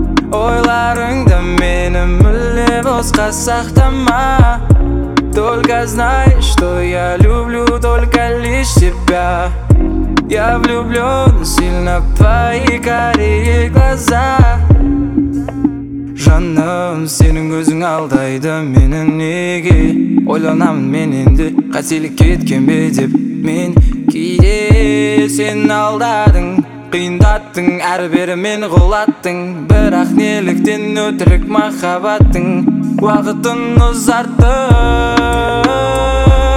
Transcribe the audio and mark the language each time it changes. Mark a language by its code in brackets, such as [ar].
[kk] Ойларыңды мені мүлі босқа сақтама. [ru] Только знай, что я люблю только лишь тебя. Я влюблен сильно в твои карие глаза. [kk] Жаным, сенің көзің алдайды менің неге. Ойланамын мен енді қателік кеткен бе деп. Мен кейде сен алдадың, қиындаттың, әрбері мен құлаттың. Бірақ неліктен өтірік махаббаттың уақытын ұзарттың.